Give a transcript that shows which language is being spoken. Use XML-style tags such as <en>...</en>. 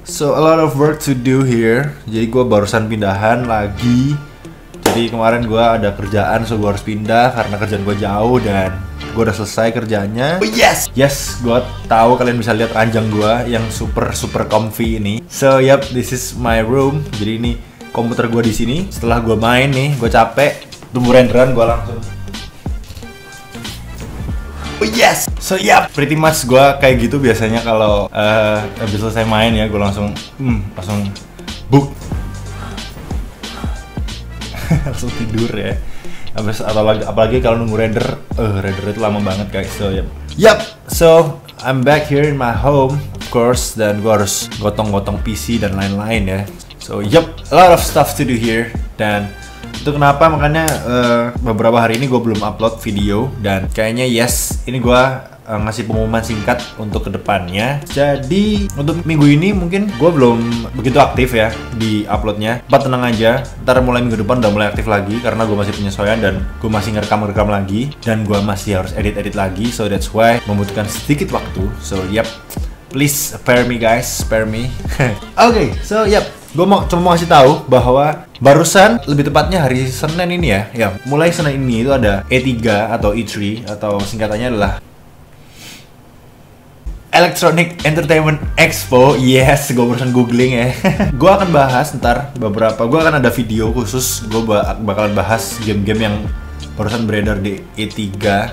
<en>So, a lot of work to do here.</en> <id>Jadi gua barusan pindahan lagi. Jadi kemarin gua ada kerjaan, so gua harus pindah karena kerjaan gua jauh dan gua udah selesai kerjanya.</id> <en>Oh, yes.</en> <id>Yes, gua tahu kalian bisa lihat ranjang gua yang super super comfy ini.</id> <en>So, yep, this is my room.</en> <id>Jadi ini komputer gue di sini. Setelah gue main nih, gue capek, tunggu renderan, gue langsung.</id> <en>Oh yes, so yep. Pretty much</en> <id>gue kayak gitu biasanya kalau habis selesai main ya, gue langsung, langsung book, langsung tidur ya. Abis apalagi kalau nunggu render, render itu lama banget guys. So yep.</id> <en>Yep, so I'm back here in my home, of course,</en> <id>dan gue harus gotong-gotong PC dan lain-lain ya.</id> <en>So yep, a lot of stuff to do here.</en> <id>Dan itu kenapa makanya beberapa hari ini gue belum upload video. Dan kayaknya yes, ini gue ngasih pengumuman singkat untuk kedepannya. Jadi untuk minggu ini mungkin gue belum begitu aktif ya di uploadnya. Tapi tenang aja, ntar mulai minggu depan udah mulai aktif lagi. Karena gue masih penyesuaian dan gue masih ngerekam-ngerekam lagi. Dan gue masih harus edit-edit lagi.</id> <en>So that's why</en> <id>membutuhkan sedikit waktu.</id> <en>So yep, please spare me guys, spare me.</en> <id>Okay, so yep, gue mau cuma mau kasih tahu bahwa barusan, lebih tepatnya hari Senin ini ya, ya mulai Senin ini itu ada E3 atau E3 atau singkatannya adalah Electronic Entertainment Expo. Yes, gue barusan googling ya. Gue akan bahas ntar beberapa, gue akan ada video khusus, gue bakalan bahas game-game yang barusan beredar di E3.</id>